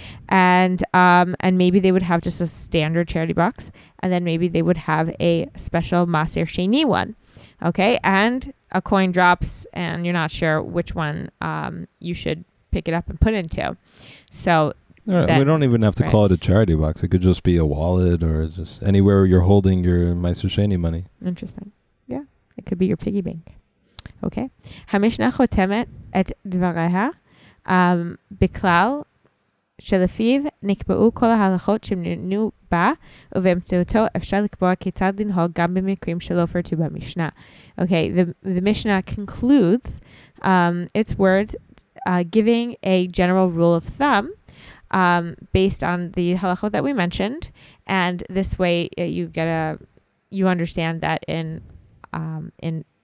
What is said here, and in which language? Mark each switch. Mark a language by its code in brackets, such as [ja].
[en] And maybe they would have just a standard charity box, and then maybe they would have a special Maser Sheni one, okay? And a coin drops, and you're not sure which one you should pick it up and put into. So We don't even have to call it a charity box. It could just be a wallet or just anywhere you're holding your Maser Sheni money. Interesting. Yeah, it could be your piggy bank. Okay. [he] Hamishna chotemet et dvareha biklal שלפיו נקבעו כל ההלכות שמנינו בה, ובאמצעותו אפשר לקבוע כיצד לנהוג גם במקרים שלא פרטו במשנה. [en] Okay, the Mishnah concludes its words giving a general rule of thumb based on the halachot that we mentioned, and this way you understand that in